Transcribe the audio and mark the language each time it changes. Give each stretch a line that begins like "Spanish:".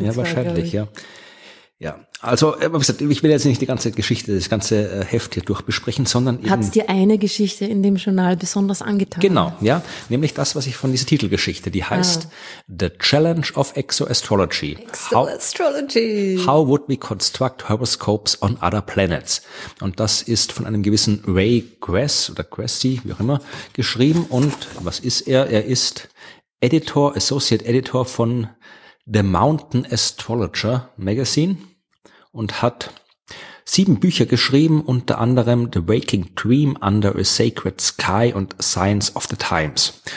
German: Ja, wahrscheinlich, ja. Ja, also, wie gesagt, ich will jetzt nicht die ganze Geschichte, das ganze Heft hier durchbesprechen, sondern eben. Hat's dir eine Geschichte in dem Journal besonders angetan? Genau, ja. Nämlich das, was ich von dieser Titelgeschichte, die heißt The Challenge of Exoastrology. Exoastrology.
English: How would we construct horoscopes on other planets?
German: Und das ist von einem gewissen Ray Gress oder Gressy, wie auch immer, geschrieben. Und was ist er? Er ist Editor, Associate Editor von The Mountain Astrologer Magazine und hat 7 Bücher geschrieben, unter anderem The Waking Dream Under a Sacred Sky und Signs of the Times.